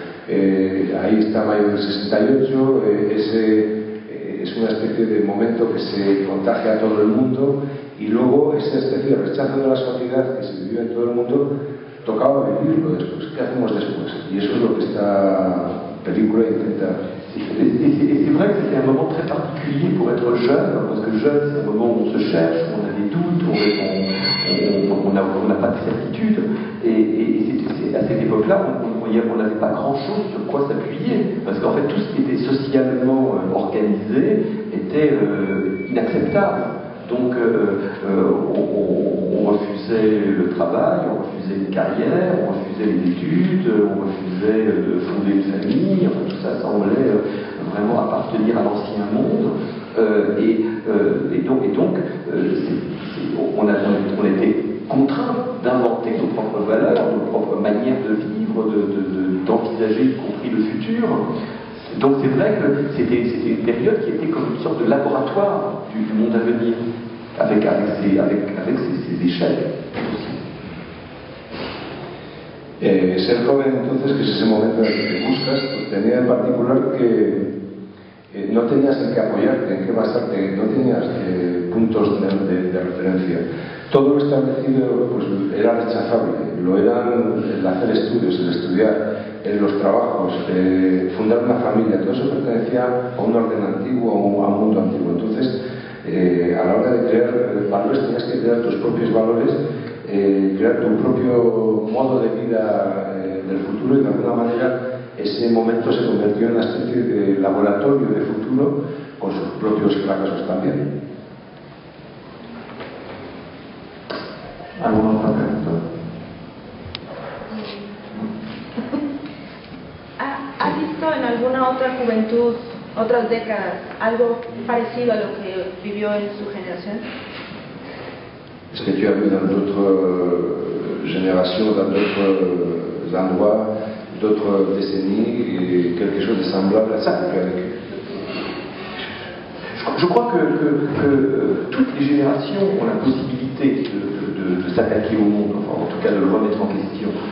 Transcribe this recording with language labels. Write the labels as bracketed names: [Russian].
[Spanish] Ahí está mayo del 68, es una especie de momento que se contagia a todo el mundo, y luego esa especie de rechazo de la sociedad que se vivió en todo el mundo, tocaba vivirlo después. ¿Qué hacemos después? Y eso es lo que esta película intenta. [French] Et c'est vrai que c'était un moment très particulier pour être jeune, parce que jeune, c'est un moment où on se cherche, où on a des doutes, on n'a pas de certitude. Et c'est à cette époque-là, on n'avait pas grand-chose sur quoi s'appuyer, parce qu'en fait, tout ce qui était socialement... organisée était inacceptable. Donc on refusait le travail, on refusait une carrière, on refusait les études, on refusait de fonder une famille, enfin, tout ça semblait vraiment appartenir à l'ancien monde. Et donc on était contraint d'inventer nos propres valeurs, nos propres manières de vivre, d'envisager y compris le futur. Donc c'est vrai que c'était une période qui était comme une sorte de laboratoire du monde à venir, avec ses échelles. [Spanish] Ser joven entonces, que es ese momento en el que buscas, pues tenía en particular que no tenías en qué apoyarte, en qué basarte, no tenías puntos de referencia. Todo lo establecido pues, era rechazable, lo eran el hacer estudios, el estudiar, los trabajos, fundar una familia, todo eso pertenecía a un orden antiguo, a un mundo antiguo. Entonces, a la hora de crear valores, tenías que crear tus propios valores, crear tu propio modo de vida del futuro, y de alguna manera ese momento se convirtió en una especie de laboratorio de futuro con sus propios fracasos también. ¿Alguna otra pregunta? ¿Has visto en alguna otra juventud, otras décadas, algo parecido a lo que vivió en su generación? [French] Est-ce que tu as vu dans d'autres générations, dans d'autres endroits, d'autres décennies, quelque chose de semblable à ça? Je crois que toutes les générations ont la possibilité de s'attaquer au monde, enfin, en tout cas de le remettre en question.